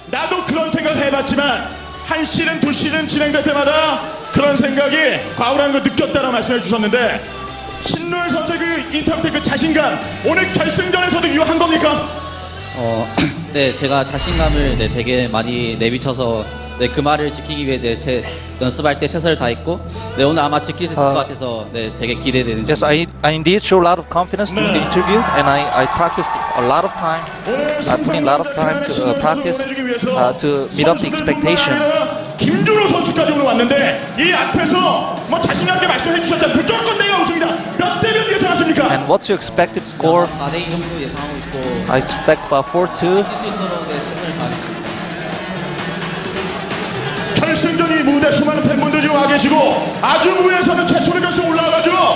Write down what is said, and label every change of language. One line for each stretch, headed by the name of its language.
Korean: 나도 그런 생각 해봤지만 한 시즌 두 시즌 진행될 때마다 그런 생각이 과거라는 걸 느꼈다라고 말씀해 주셨는데 신노열 선수의 그 인터뷰 때 그 자신감 오늘 결승전에서도 유효한 겁니까? 네, 제가 자신감을 네, 되게 많이 내비쳐서 네, 그 말을 지키기 위해 네, 제 연습할 때 최선을 다했고 네, 오늘 아마 지킬 수 있을 것 같아서 네, 되게 기대되는
English: Yes, I indeed show a lot of confidence during the interview and I practiced a lot of time. I put in a lot of time to practice to meet up the expectation.
Korean: 김준호 선수까지 오늘 왔는데 이 앞에서 뭐 자신감 있게 말씀해 주셨잖아요. 무조건 내가 우승이다. 몇 대 몇 예상하십니까?
English: And what's your expected score?
Korean: 4대 1 정도 예상하고 있고
English: I expect about 4-2.
Korean: 결승전이 무대 수많은 팬분들 중 와 계시고 아주부에서는 최초로 결승 올라가죠.